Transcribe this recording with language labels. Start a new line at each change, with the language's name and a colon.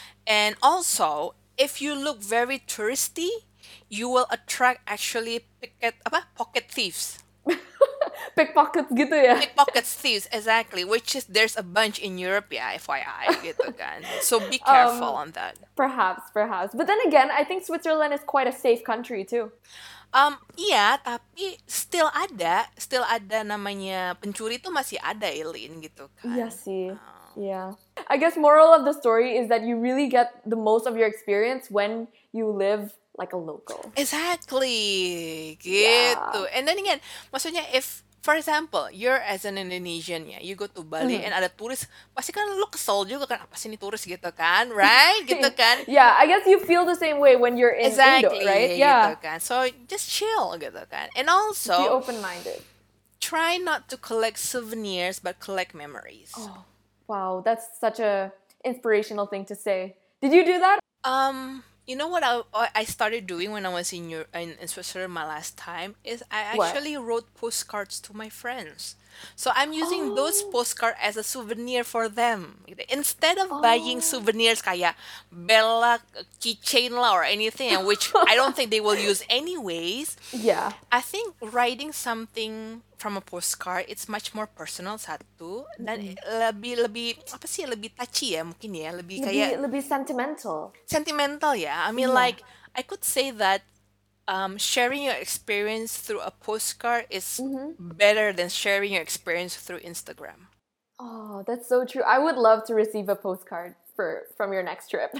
English: And also, if you look very touristy, you will attract actually pocket thieves.
Indonesian: Pickpockets gitu ya.
English: Pickpockets thieves, exactly. Which is, there's a bunch in Europe, yeah, FYI,
Indonesian: gitu kan.
English: So be careful on that. Perhaps. But then again, I think Switzerland is quite a safe country too.
Indonesian: Yeah, tapi
English: still
Indonesian: ada namanya pencuri itu masih ada, Eileen, gitu kan.
English: Yeah, see. Yeah. I guess moral of the story is that you really get the most of your experience when you live like a local. Exactly.
Indonesian: Gitu.
English: Yeah. And then again,
Indonesian: maksudnya
English: if, for example, you're as an Indonesian, yeah, you go to Bali and
Indonesian: ada turis, pasti kan lu kesel juga kan, apa sih ini turis gitu kan,
English: right?
Indonesian: Gitu kan?
English: Yeah, I guess you feel the same way when you're in Indo, right? Yeah.
Indonesian: Gitu kan.
English: So just chill
Indonesian: gitu kan.
English: And also, be open-minded. Try not to collect souvenirs, but collect memories. Oh, wow, that's such a inspirational thing to say. Did you do that? You know what I started doing when I was in Switzerland my last time is I actually wrote postcards to my friends. So I'm using those postcards as a souvenir for them. Instead of buying souvenirs
Indonesian: kayak
English: Bella keychain lah or anything, which I don't think they will use anyways. Yeah. I think writing something from a postcard, it's much more personal,
Indonesian: satu. Dan lebih, apa sih, lebih
English: touchy
Indonesian: ya mungkin ya. Lebih
English: sentimental.
Indonesian: Sentimental, ya.
English: Yeah. I mean, like, I could say that sharing your experience through a postcard is better than sharing your experience through Instagram. Oh, that's so true. I would love to receive a postcard from your next trip.